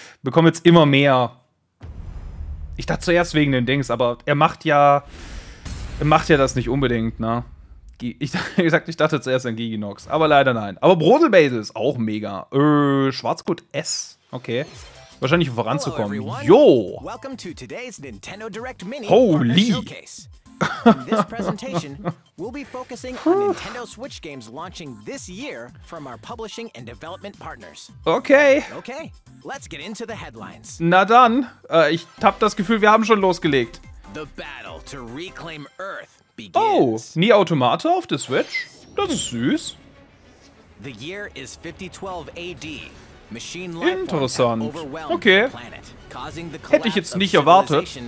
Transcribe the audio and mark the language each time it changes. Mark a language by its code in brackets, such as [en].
[de] Bekomme jetzt immer mehr. Ich dachte zuerst wegen den Dings, aber er macht ja das nicht unbedingt, ne? Ich dachte zuerst an Giginox, aber leider nein. Aber Brodel Basil ist auch mega. Schwarzgut S. Okay. wahrscheinlich voranzukommen. Jo! [en] Welcome to today's Nintendo Direct Mini Holy! Showcase. In this presentation, we'll be focusing on Nintendo Switch games launching this year from our publishing and development partners. Okay. Okay, let's get into the headlines. [de] Na dann, ich hab das Gefühl, wir haben schon losgelegt. [en] The battle to reclaim Earth begins. [de] Oh, Nier Automata auf der Switch? Das ist süß. [en] The year is 5012 AD. [de] Interessant. Okay. Hätte ich jetzt nicht erwartet.